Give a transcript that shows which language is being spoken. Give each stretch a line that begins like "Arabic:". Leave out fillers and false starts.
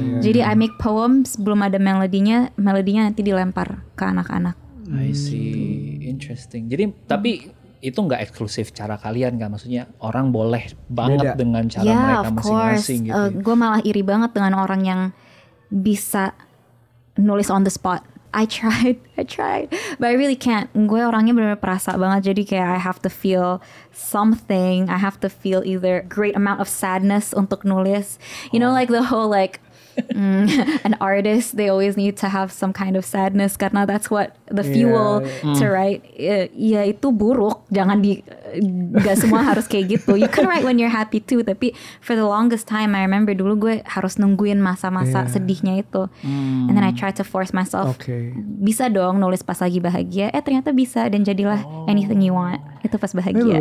Indonesian: jadi
English: I make poems,
Indonesian: belum ada melodinya, melodinya nanti dilempar ke anak-anak.
English: I see, interesting.
Indonesian: Jadi, tapi itu nggak eksklusif cara kalian kan, maksudnya orang boleh banget beda dengan cara yeah, mereka masing-masing
English: course
Indonesian: gitu. Gue malah iri banget dengan orang yang bisa nulis
English: on the spot. I tried, but I really can't.
Indonesian: Gue orangnya benar-benar perasa banget, jadi kayak
English: I have to feel something. I have to feel either great amount of sadness
Indonesian: untuk nulis.
English: You know, like the whole like an artist, they always need to have some kind of sadness
Indonesian: karena
English: that's what the fuel to write.
Indonesian: Ya itu buruk, jangan di gak semua harus kayak gitu.
English: You can write when you're happy too,
Indonesian: tapi
English: for the longest time I remember
Indonesian: dulu gue harus nungguin masa-masa sedihnya itu.
English: And then I try to force myself,
Indonesian: bisa dong nulis pas lagi bahagia. Eh ternyata bisa, dan jadilah
English: anything you want
Indonesian: itu pas bahagia. Ini